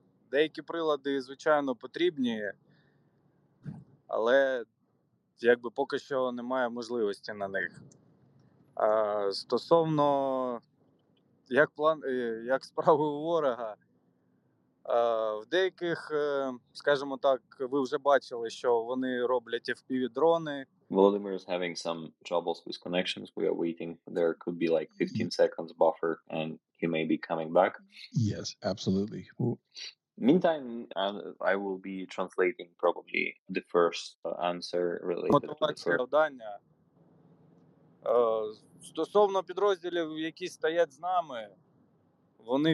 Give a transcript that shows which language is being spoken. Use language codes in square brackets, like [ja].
[uk] Деякі прилади, звичайно, потрібні, але якби поки що немає можливості на них. Стосовно як справи у ворога, в деяких, скажімо так, ви вже бачили, що вони роблять FPV-дрони. [en] Володимир is having some troubles with connections. We are waiting. There could be like 15 seconds buffer and he may be coming back. Yes, absolutely. Ooh. Meantime, I will be translating probably the first answer related [uk] мотивація [en] to [uk] завдання. Стосовно підрозділів, які стоять з нами, вони...